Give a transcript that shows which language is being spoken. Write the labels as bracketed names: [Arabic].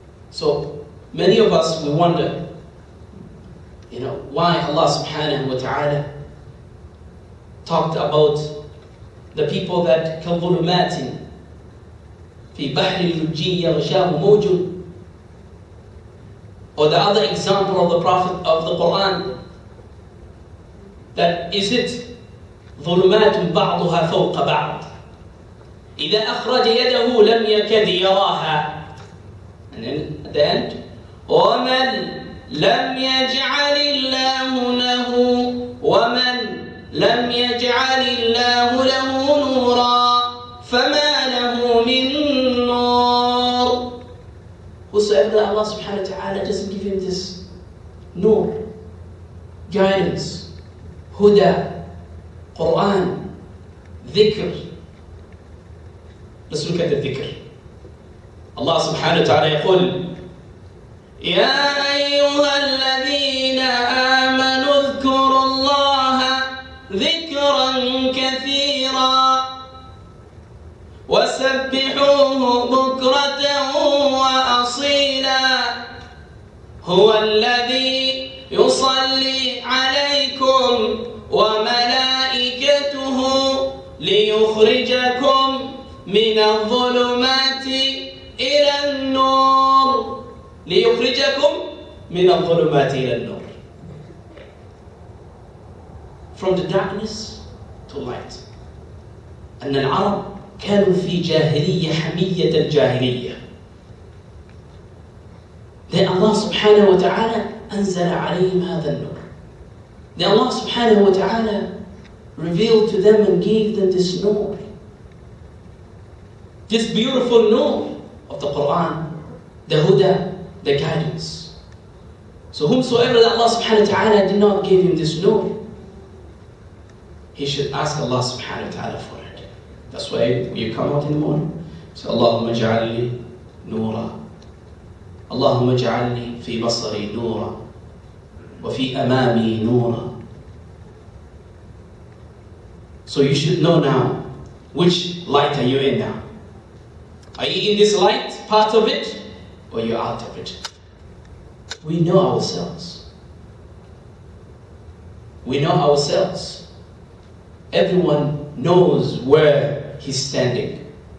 [English] So many of us, we wonder, you know, why Allah subhanahu wa ta'ala talked about the people that kalbulumatin fi bahri lujiyya rashahu mawjun, or the other example of the Prophet of the Quran, that is it, [Arabic] ظلمات بعضها فوق بعض إذا أخرج يده لم يكد يراها. [English] And then at the end, [Arabic] ومن لم يجعل الله له, ومن لم يجعل الله له نورا فما له من نور. [English] Whosoever that Allah subhanahu wa ta'ala doesn't give him this nur, guidance, Huda, Quran, Dhikr. Let's look at the Dhikr. Allah subhanahu wa ta'ala [Arabic] يقول يَا أَيُّهَا الَّذِينَ آمَنُوا اذْكُرُوا اللَّهَ ذِكْرًا كَثِيرًا وَسَبِّحُوهُ بُكْرَةً وَأَصِيلًا هُوَ الَّذِي يُصَلِّي عَلَيْكُمْ وملائكته ليخرجكم من الظلمات إلى النور. ليخرجكم من الظلمات إلى النور. [English] From the darkness to light. [Arabic] أن العرب كانوا في جاهلية حمية الجاهلية. [English] Then Allah subhanahu wa ta'ala [Arabic] أنزل عليهم هذا النور. [English] Then Allah subhanahu wa ta'ala revealed to them and gave them this nur, this beautiful nur of the Quran, the huda, the guidance. So whomsoever that Allah subhanahu wa ta'ala did not give him this nur, he should ask Allah subhanahu wa ta'ala for it. That's why you come out in the morning, say, Allahumma ja'alni nura. [Arabic] اللهم اجعلني في بصري نورا وفي أمامي نورا. [English] So you should know now which light are you in now. Are you in this light part of it or you're out of it? We know ourselves. We know ourselves. Everyone knows where he's standing.